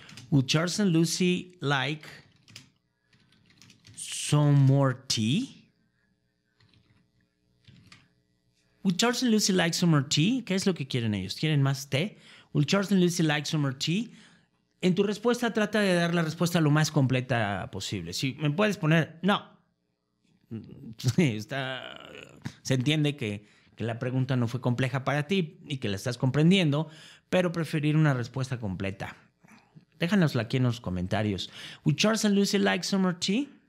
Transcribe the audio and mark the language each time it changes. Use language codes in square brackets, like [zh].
[en] Would Charles and Lucy like some more tea? Would Charles and Lucy like some more tea? [es] ¿Qué es lo que quieren ellos? ¿Quieren más té? [en] Would Charles and Lucy like some more tea? [es] En tu respuesta trata de dar la respuesta lo más completa posible. Si me puedes poner, no. Se entiende que la pregunta no fue compleja para ti y que la estás comprendiendo, pero preferir una respuesta completa. Déjanosla aquí en los comentarios. [en] Would Charles and Lucy like some more tea?